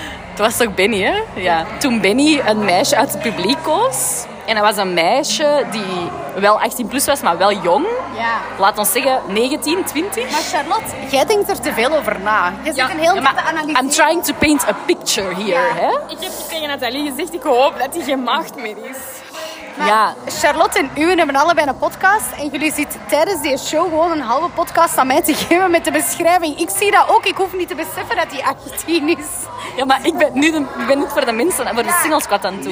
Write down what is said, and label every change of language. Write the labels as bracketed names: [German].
[Dutch] Het was toch Benny, hè? Ja. Toen Benny een meisje uit het publiek koos. En dat was een meisje die wel 18 plus was, maar wel jong. Ja. Laat ons zeggen 19, 20. Maar Charlotte, jij denkt er te veel over na. Je zit een heel tijd te analyseren. [English] I'm trying to paint a picture here, hè? [Dutch] Ik heb tegen Nathalie gezegd, ik hoop dat hij geen maagd meer is. Maar ja. Charlotte en Uwe hebben allebei een podcast. En jullie zitten tijdens die show gewoon een halve podcast aan mij te geven met de beschrijving. Ik zie dat ook. Ik hoef niet te beseffen dat die 18 is. Ja, maar ik ben nu niet voor de mensen, voor de single squad aan het doen.